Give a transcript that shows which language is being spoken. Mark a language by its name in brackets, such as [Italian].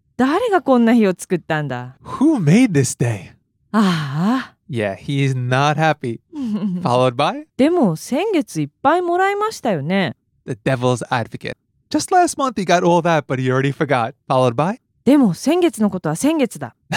[Japanese] 誰がこんな日を作ったんだ? [English] Who made this day? ああ。 Yeah, he is not happy. Followed by? [Japanese] でも先月いっぱいもらいましたよね。 [English] The devil's advocate. Just last month he got all that, but he already forgot. Followed by? [Japanese] でも先月のことは先月だ。